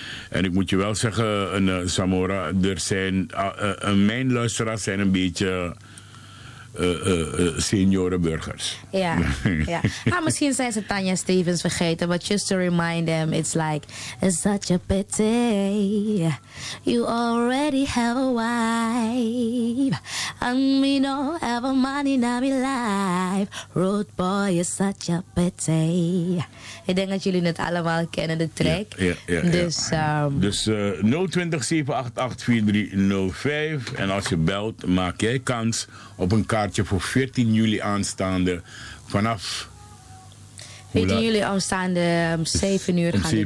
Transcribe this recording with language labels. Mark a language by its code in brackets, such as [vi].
[nl] En ik moet je wel zeggen, Samora, mijn luisteraars zijn een beetje senioren burgers. Ja, yeah. [en] Yeah. [nl] Ah, misschien zijn ze Tanya Stevens vergeten, [en] but just to remind them, it's like, it's such a pity, you already have a wife, and we don't have money in our life, rude boy is such a pity. [nl] Ik denk dat jullie het allemaal kennen, de track. Ja, ja, ja, dus ja. Dus 020-788-4305. En als je belt, maak jij kans op een kaartje voor 14 juli aanstaande. Vanaf... 14 juli aanstaande, 7 uur gaan de deur